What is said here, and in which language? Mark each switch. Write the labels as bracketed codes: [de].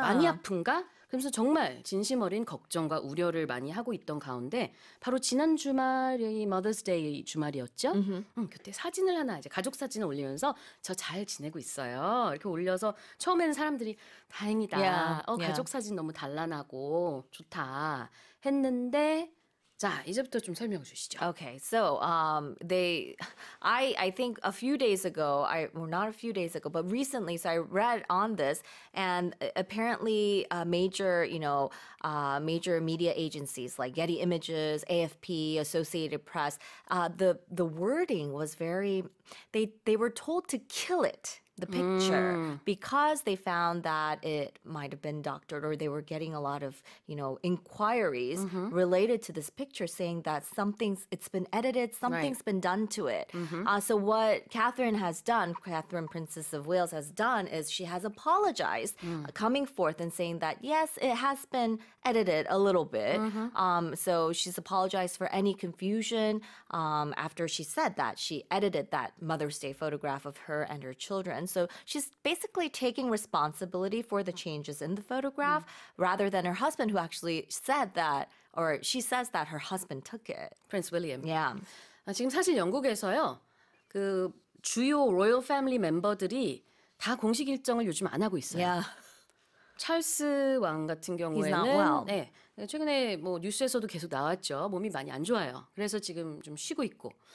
[ko] 많이 아픈가? 그래서 정말 진심 어린 걱정과 우려를 많이 하고 있던 가운데 바로 지난 주말이 Mother's Day 주말이었죠. [en] Mm-hmm. [ko] 그때 사진을 하나 이제 가족 사진을 올리면서 저 잘 지내고 있어요. 이렇게 올려서 처음에는 사람들이 다행이다. [en] Yeah. [ko] 가족 사진 너무 단란하고 좋다 했는데 자, 이제부터 좀 설명 주시죠. [en] Okay, so I think a few days ago, but recently, so I read on this, and apparently major media agencies like Getty Images, AFP, Associated Press, the wording was very, they were told to kill it. The picture, because they found that it might have been doctored, or they were getting a lot of, you know, inquiries mm-hmm. related to this picture, saying that it's been edited, something's been done to it. Mm-hmm. So what Catherine Princess of Wales has done is she has apologized, coming forth and saying that, yes, it has been edited a little bit. Mm-hmm. So she's apologized for any confusion after she said that she edited that Mother's Day photograph of her and her children. And so she's basically taking responsibility for the changes in the photograph rather than her husband, who actually said that, or she says that her husband took it. Prince William. Yeah. [ko] 지금 사실 영국에서요, 그 주요 로열 패밀리 멤버들이 다 공식 일정을 요즘 안 하고 있어요. [en] Yeah. [ko] 찰스 왕 같은 경우에는. [en] He's not well. [ko] 네. 최근에 뭐 뉴스에서도 계속 나왔죠. 몸이 많이 안 좋아요. 그래서 지금 좀 쉬고 있고.